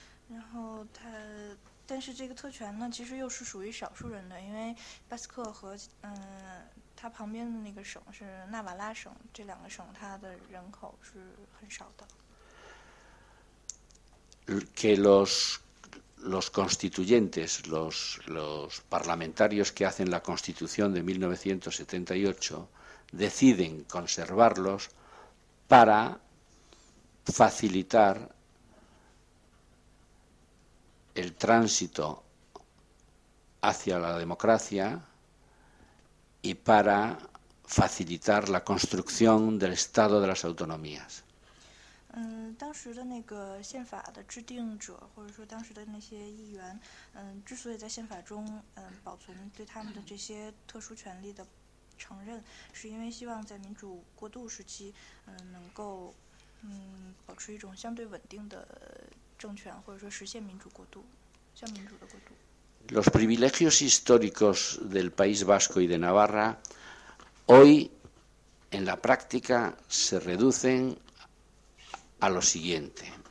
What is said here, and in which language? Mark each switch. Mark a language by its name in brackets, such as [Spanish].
[Chinese] 然后它，但是这个特权呢，其实又是属于少数人的，因为巴斯克和它旁边的那个省是纳瓦拉省，这两个省它的人口是很少的。 [Spanish] Que los constituyentes, los parlamentarios que hacen la Constitución de 1978 deciden conservarlos para facilitar el tránsito hacia la democracia y para facilitar la construcción del Estado de las autonomías. [Chinese] 当时的那个宪法的制定者，或者说当时的那些议员，之所以在宪法中保存对他们的这些特殊权利的承认，是因为希望在民主过渡时期，能够保持一种相对稳定的政权，或者说实现民主过渡，像民主的过渡。 [Spanish] Los privilegios históricos del País Vasco y de Navarra hoy en la práctica se reducen a lo siguiente.